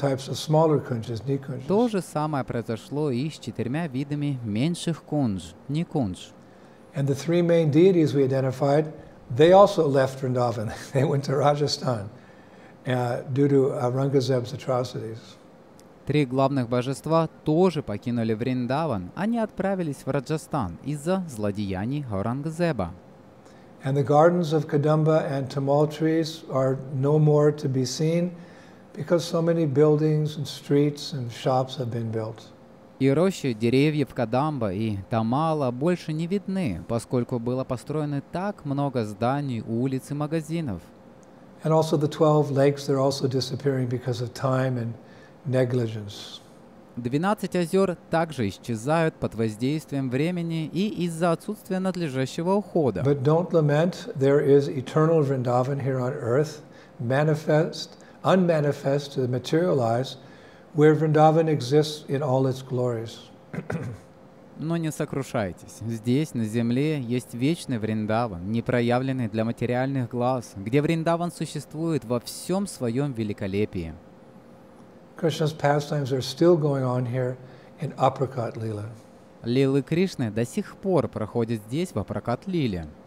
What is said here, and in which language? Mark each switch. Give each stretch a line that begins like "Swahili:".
Russian: То же самое произошло и с четырьмя видами меньших кунж, никунж.
English: And the three main deities we identified, they also left Vrindavan. They went to Rajasthan due to Aurangzeb's atrocities.
Russian: Три главных божества тоже покинули Вриндаван. Они отправились в Раджастан из-за злодеяний Аурангзеба.
English: And the gardens of Kadamba and tamal trees are no more to be seen because so many buildings and streets and shops have been built.
Russian: И рощи деревьев Кадамба и Тамала больше не видны, поскольку было построено так много зданий, улиц и магазинов.
English: And also the 12 lakes, they're also disappearing because of time and negligence.
Russian: 12 озер также исчезают под воздействием времени и из-за отсутствия надлежащего ухода.
English: But don't lament, there is eternal Vrindavan here on earth, manifest, unmanifest, materialized, where Vrindavan exists in all its glories.
Russian: Но не сокрушайтесь. Здесь, на земле, есть вечный Вриндаван, непроявленный для материальных глаз, где Вриндаван существует во всем своем великолепии.
English: Krishna's pastimes are still going on here in apricot lila.
Russian: Лилы Кришны до сих пор проходят здесь в апрокат лиле.